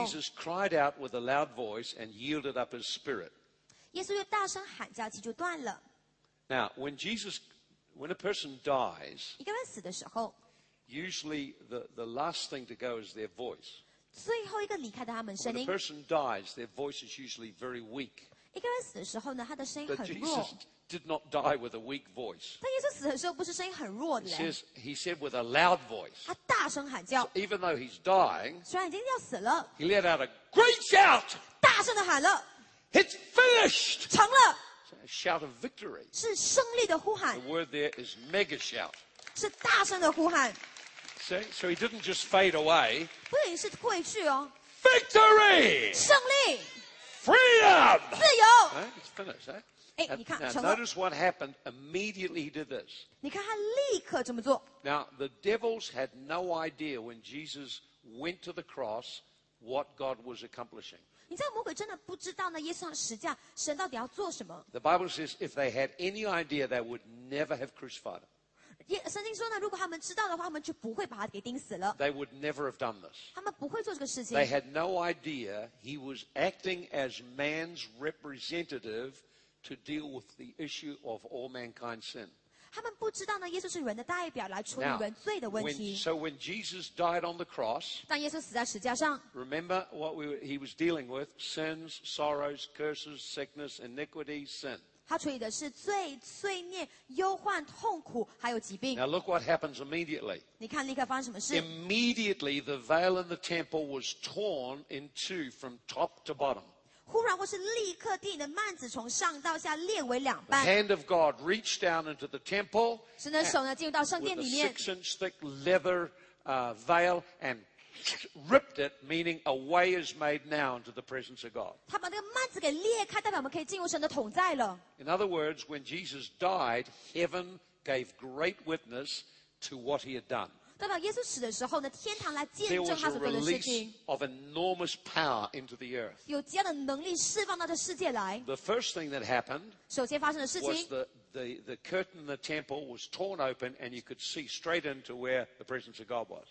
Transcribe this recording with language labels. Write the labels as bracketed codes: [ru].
[en] Jesus cried out with a loud voice and yielded up his spirit. [zh] 耶稣又大声喊叫，气就断了。 [en] Now, when a person dies, [zh] 一个人死的时候 [en] usually the last thing to go is their voice. [zh] 最后一个离开的他们声音。 [en] When a person dies, their voice is usually very weak. [zh] 一个人死的时候呢，他的声音很弱。 [en] But Jesus did not die with a weak voice. [zh] 但耶稣死的时候不是声音很弱的。 [en] He said with a loud voice. [zh] 他大声喊叫。 [en] Even though he's dying, [zh] 虽然已经要死了。 [en] He let out a great shout. [zh] 大声的喊了。 [en] It's finished. [zh] 成了。 [en] A shout of victory. [zh] 是胜利的呼喊。 [en] The word there is mega shout. [zh] 是大声的呼喊。 [en] So he didn't just fade away. [zh] 不仅是褪去哦。 [en] Victory. [zh] 胜利。 [en] Freedom. [zh] 自由。 [en] It's finished, eh? 欸、 Now notice what happened immediately he did this. [zh] 你看他立刻这么做。 [en] Now the devils had no idea when Jesus went to the cross what God was accomplishing. [zh] 你知道魔鬼真的不知道呢耶稣上十字架神到底要做什么。 [en] The Bible says if they had any idea they would never have crucified him. [zh] 圣经说呢如果他们知道的话他们就不会把他给钉死了。 [en] They would never have done this. [zh] 他们不会做这个事情。 [en] They had no idea he was acting as man's representative. To deal with the issue of all mankind's sin. [zh] 他们不知道呢，耶稣是人的代表，来处理人罪的问题。 [en] So when Jesus died on the cross, [zh] 当耶稣死在十字架上 [en] ，Remember what he was dealing with: sins, sorrows, curses, sickness, iniquity, sin. [zh] 他处理的是罪、罪孽、忧患、痛苦，还有疾病。 [en] Now look what happens immediately. [zh] 你看立刻发生什么事 [en] ？Immediately, the veil in the temple was torn in two from top to bottom. [zh] 忽然或是立刻地的幔子从上到下裂为两半。 [en] The hand of God reached down into the temple. [zh] 神的手呢进入到圣殿里面。 [en] With a 6-inch thick leather veil and ripped it, meaning a way is made now into the presence of God. [zh] 他把那个幔子给裂开，代表我们可以进入神的同在了。 [en] In other words, when Jesus died, heaven gave great witness to what he had done. [zh] 代表耶稣死的时候呢，天堂来见证他所做的事情。 [en] There was a release of enormous power into the earth. [zh] 有极大的能力释放到这世界来。 [en] The first thing that happened. [zh] 首先发生的事情。 [en] Was the curtain in the temple was torn open, and you could see straight into where the presence of God was.